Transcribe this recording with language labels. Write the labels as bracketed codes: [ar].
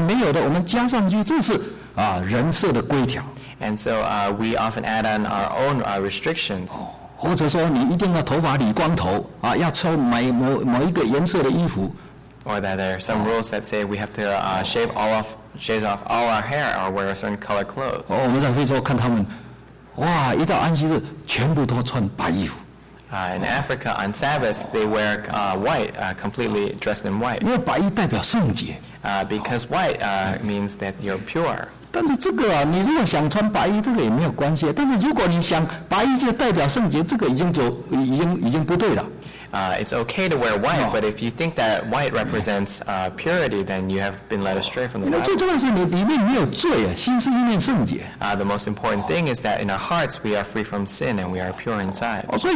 [zh] 是自由的，所以一些规条圣经里面没有的，我们加上去，这是人设的规条。 [en] And so we often add on our own restrictions. [zh] 或者说你一定要头发理光头，要穿某一个颜色的衣服。 [en] Or that there are some rules that say we have to shave off all our hair or wear a certain color clothes. [zh] 我们在非洲看他们。哇，一到安息日，全部都穿白衣服。 [en] In Africa, on Sabbath, they wear white, completely dressed in white. [zh] 因为白衣代表圣洁。 [en] Because white means that you're pure. [zh] 但是这个啊，你如果想穿白衣，这个也没有关系。但是如果你想白衣就代表圣洁，这个已经不对了。 [en] It's okay to wear white, but if you think that white represents purity, then you have been led astray from the Bible. [zh] 最重要是你里面没有罪，心思意念圣洁。 [en] The most important thing is that in our hearts we are free from sin and we are pure inside.